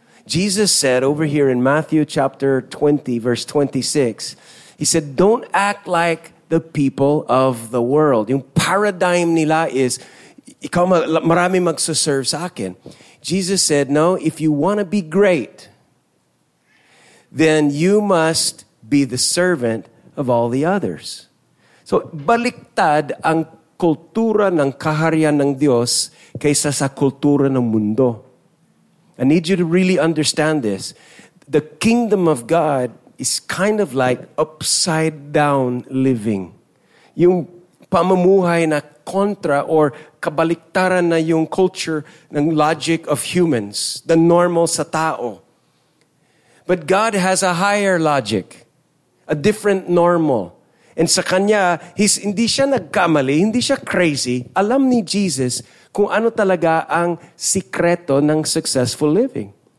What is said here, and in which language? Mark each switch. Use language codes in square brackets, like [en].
[en] Jesus said over here in Matthew chapter 20, verse 26, he said, don't act like the people of the world. [tl] Yung paradigm nila is, ikaw marami magsaserve sa akin. [en] Jesus said, no, if you want to be great, then you must be the servant of all the others. [tl] So, baliktad ang kultura ng kaharian ng Diyos kaysa sa kultura ng mundo. [en] I need you to really understand this. The kingdom of God is kind of like upside down living. [tl] Yung pamumuhay na kontra or kabaliktaran na yung culture ng [en] logic of humans, the normal [tl] sa tao. [en] But God has a higher logic, a different normal. [tl] And sa kanya, hindi siya nagkamali, hindi siya crazy. Alam ni Jesus kung ano talaga ang sikreto ng [en] successful living.